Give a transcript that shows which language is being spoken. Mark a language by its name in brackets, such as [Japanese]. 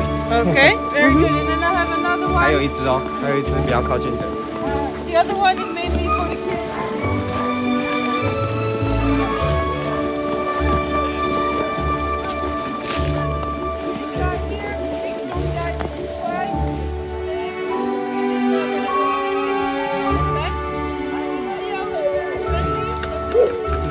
[English] Okay, very good. And then I have another one. [Chinese] 还有一只哦，还有一只比较靠近的。 [English] The other one is mainly for the